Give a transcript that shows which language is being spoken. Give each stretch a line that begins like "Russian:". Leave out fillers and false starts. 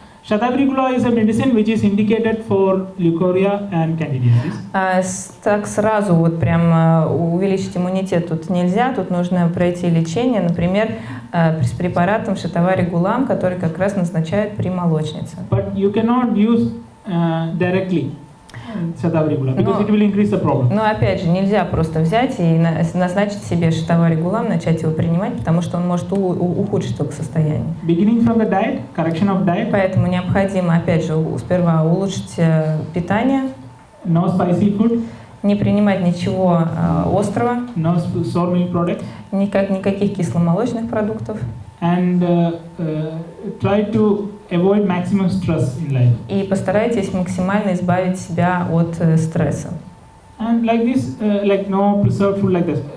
English: Shatavrigula is a medicine which is indicated for leucorrhea and candida.
Russian: Так сразу вот прям увеличить иммунитет тут нельзя, тут нужно пройти лечение, например, с препаратом шатавригулам, который как раз назначают при молочнице.
English: But you cannot use directly. Because it will increase the problem.
Russian: Но опять же, нельзя просто взять и назначить себе шатаваригулам, начать его принимать, потому что он может ухудшить только состояние.
English: Beginning from the diet, correction of diet.
Russian: Поэтому необходимо, опять же, сперва улучшить питание.
English: No spicy food.
Russian: Не принимать ничего острого.
English: No sour milk products.
Russian: Никаких кисломолочных продуктов.
English: And try to avoid maximum stress in life.
Russian: И постарайтесь максимально избавить себя от стресса.
English: And like this, like no preserved food like this.